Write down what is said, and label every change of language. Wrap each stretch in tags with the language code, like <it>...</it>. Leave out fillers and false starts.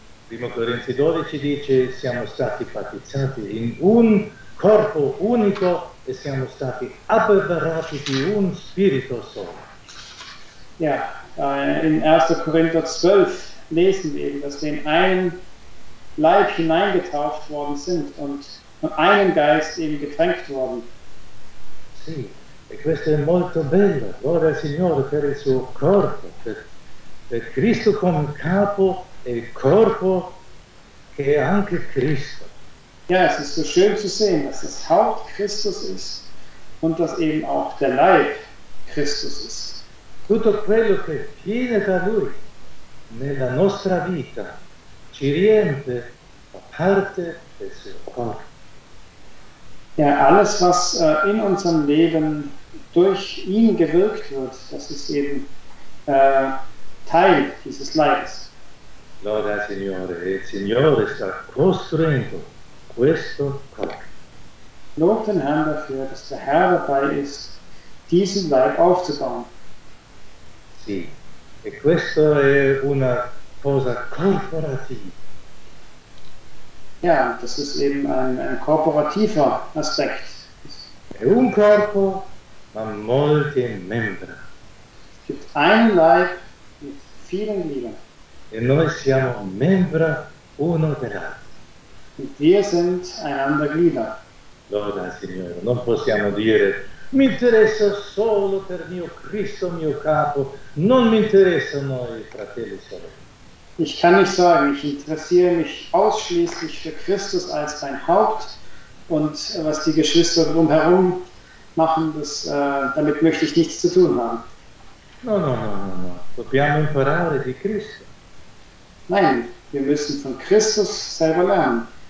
<it>1 Corinzi 12 dice, siamo stati battezzati in un corpo unico e siamo stati abbeverati di un spirito solo.</it> <de>Ja, in 1. Korinther 12 lesen wir eben, dass wir in einen Leib hineingetauft worden sind und von einem Geist eben getränkt worden.</de> <it>Sì, e questo è molto bello, gloria al Signore per il suo corpo, per Cristo come capo e il corpo che è anche Cristo.</it> <de>Ja, es ist so schön zu sehen, dass das Haupt Christus ist und dass eben auch der Leib Christus ist.</de> <it>Tutto quello che viene da Lui nella nostra vita ci riempie a parte del suo corpo.</it> <de>Ja, alles, was in unserem Leben durch ihn gewirkt wird, das ist eben Teil dieses Leibes.</de> <it>Gloria al Signore, il Signore sta costruendo questo corpo.</it> <de>Lob den Herrn dafür, dass der Herr dabei ist, diesen Leib aufzubauen.</de> <it>Sì, e questo è una cosa corporativa.</it> <de>Ja, das ist eben ein korporativer Aspekt.</de> <it>È un corpo, ma molte membra.</it> <de>Es gibt einen Leib mit vielen Gliedern.</de> <it>E noi siamo membra uno dell'altro.</it> <de>Und wir sind einander Glieder.</de> <it>Gloria al Signore, non possiamo dire mi interessa solo per mio Cristo, mio capo, non mi interessano i fratelli solo.</it> <de>Ich kann nicht sagen, ich interessiere mich ausschließlich für Christus als mein Haupt und was die Geschwister drumherum machen, damit möchte ich nichts zu tun haben.</de> <it>No. Dobbiamo imparare di Cristo.</it> <de>Nein, wir müssen von Christus selber lernen.</de>